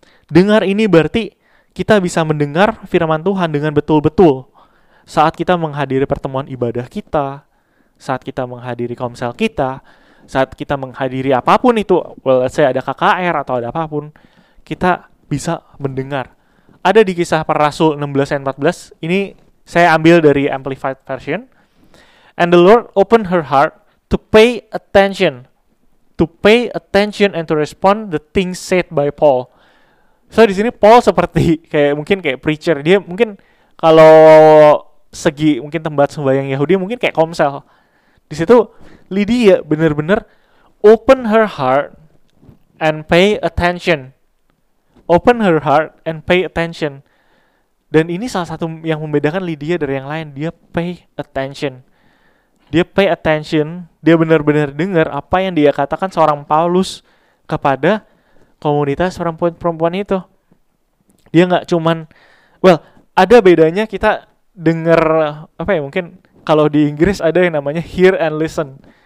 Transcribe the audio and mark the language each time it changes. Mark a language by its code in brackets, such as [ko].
[id] Dengar ini berarti kita bisa mendengar firman Tuhan dengan betul-betul saat kita menghadiri pertemuan ibadah kita, saat kita menghadiri komsel kita, saat kita menghadiri apapun itu, [en] well, let's say [id] ada KKR atau ada apapun, kita bisa mendengar. Ada di Kisah Para Rasul 16 ayat 14, ini saya ambil dari Amplified Version. [en] And the Lord opened her heart to pay attention. To pay attention and to respond the things said by Paul. [id] So di sini Paul seperti kayak mungkin kayak preacher, dia mungkin kalau segi mungkin tempat sembahyang Yahudi mungkin kayak komsel. Di situ [en] Lydia [id] benar-benar [en] open her heart and pay attention. Open her heart and pay attention. [id] Dan ini salah satu yang membedakan Lydia dari yang lain, dia [en] pay attention. [id] Dia [en] pay attention, [id] dia benar-benar dengar apa yang dia katakan seorang Paulus kepada komunitas perempuan-perempuan itu. Dia nggak cuman, well, ada bedanya kita dengar, apa ya, mungkin kalau di Inggris ada yang namanya hear and listen.